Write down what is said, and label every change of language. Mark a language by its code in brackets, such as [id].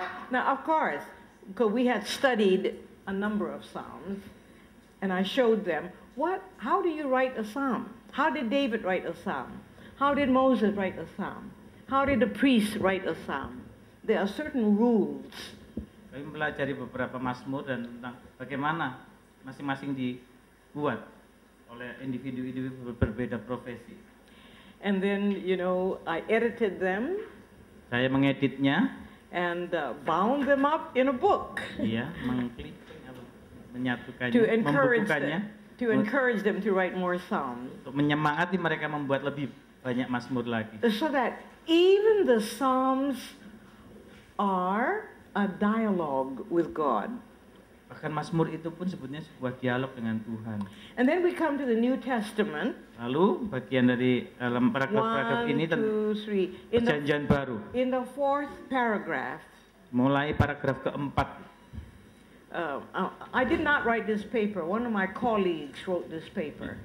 [en] Now, of course, because we had studied a number of psalms, and I showed them, how do you write a psalm? How did David write a psalm? How did Moses write a psalm? How did the priest write a psalm? There are certain rules. [id] Kami mempelajari beberapa mazmur dan tentang bagaimana masing-masing dibuat oleh individu-individu berbeda profesi. [en] And then, you know, I edited them. [id] Saya mengeditnya. [en] And bound them up in a book. [id] Iya, mengklik, menyatukannya, membukukannya. [en] To encourage them to write more psalms. [id] Untuk menyemangati mereka membuat lebih banyak mazmur lagi. [en] So that even the psalms are a dialogue with God. [id] Bahkan mazmur itu pun sebutnya sebuah dialog dengan Tuhan. [en] And then we come to the New Testament. [id] Lalu bagian dari dalam paragraf-paragraf ini tentang perjanjian baru. [en] In the fourth paragraph. [id] Mulai paragraf keempat. [en] I did not write this paper. One of my colleagues wrote this paper.